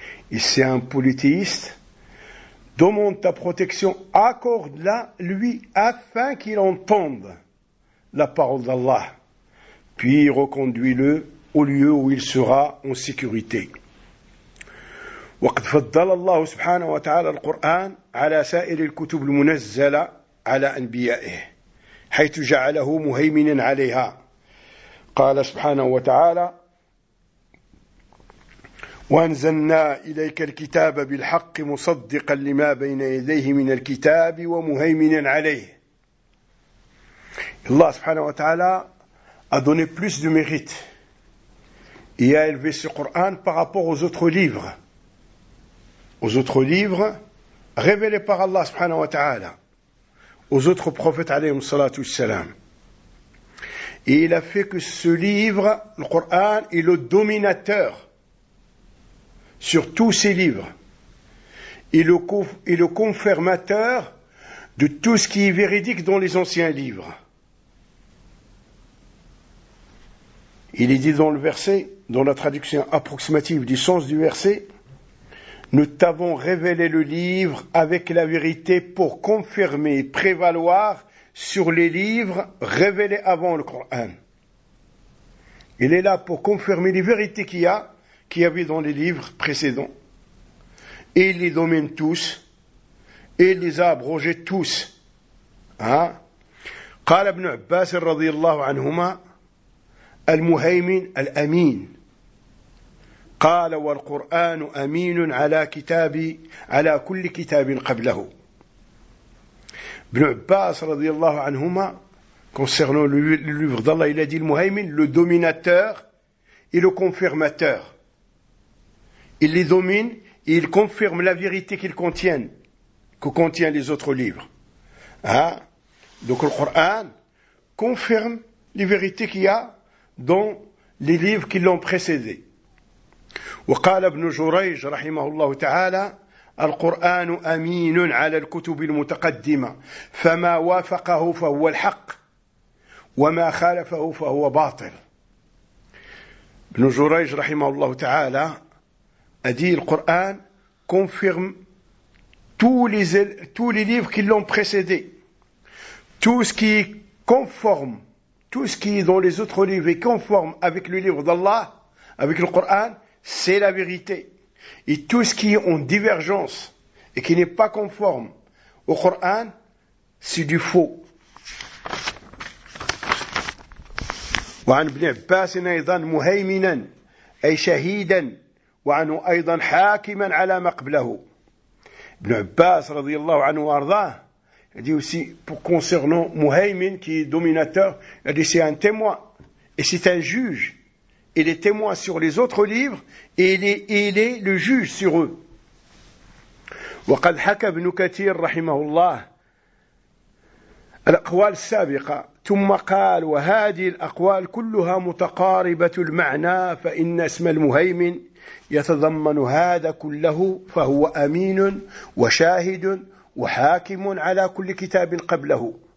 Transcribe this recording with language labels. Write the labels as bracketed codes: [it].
[fr] Et si un polythéiste demande ta protection, accorde-la lui, afin qu'il entende la parole d'Allah, puis reconduis-le au lieu où il sera en sécurité. [ar] وقد فضل الله سبحانه وتعالى القرآن على سائر الكتب المنزلة على أنبيائه حيث جعله مهيمنا عليها. قال سبحانه وتعالى: وأنزلنا إليك الكتاب بالحق مصدقا لما بين يديه من الكتاب ومهيمنا عليه. [fr] Allah subhanahu wa ta'ala a donné plus de mérite et a élevé ce Coran par rapport aux autres livres. Aux autres livres révélés par Allah subhanahu wa ta'ala, aux autres prophètes alayhi salatu wassalam. Et il a fait que ce livre, le Coran, est le dominateur sur tous ces livres. Et le confirmateur de tout ce qui est véridique dans les anciens livres. Il est dit dans le verset, dans la traduction approximative du sens du verset, nous t'avons révélé le livre avec la vérité pour confirmer et prévaloir sur les livres révélés avant le Coran. Il est là pour confirmer les vérités qu'il y avait dans les livres précédents. Et il les domine tous, et il les a abrogés tous. [ar] قال ابن عباس رضي الله عنهما المهيمن الأمين قال والقرآن أمين على كتابي على كل كتاب قبله. ابن عباس رضي الله عنهما [fr] concernant le livre d'Allah, il a dit المهيمن, le dominateur et le confirmateur. Il les domine et il confirme la vérité que contient les autres livres. Donc le Coran confirme les vérités qu'il y a dans les livres qui l'ont précédé. [ar] وقال ابن جريج رحمه الله تعالى: القرآن أمين على الكتب المتقدمة، فما وافقه فهو الحق وما خالفه فهو باطل. ابن جريج رحمه الله تعالى أدي القرآن [fr] confirme tous les livres qui l'ont précédé, tout ce qui conforme, tout ce qui est dans les autres livres est conforme avec le livre d'Allah, avec le Coran, c'est la vérité. Et tout ce qui est en divergence et qui n'est pas conforme au Coran, c'est du faux. [ar] وعن ابن عباس أيضا مهيمنا أي شهيدا، وعنه أيضا حاكما على ما قبله. ابن عباس رضي الله عنه وارضاه [fr] il dit aussi pour concernant Muhaymin qui est dominateur, il dit c'est un témoin et c'est un juge. Il est témoin sur les autres livres et il est le juge sur eux. [ar] وقد حكى ابن كثير رحمه الله الأقوال السابقة ثم قال وهذه الأقوال كلها متقاربة المعنى فإن اسم المهيمن يتضمن هذا كله فهو أمين وشاهد وحاكم على كل كتاب قبله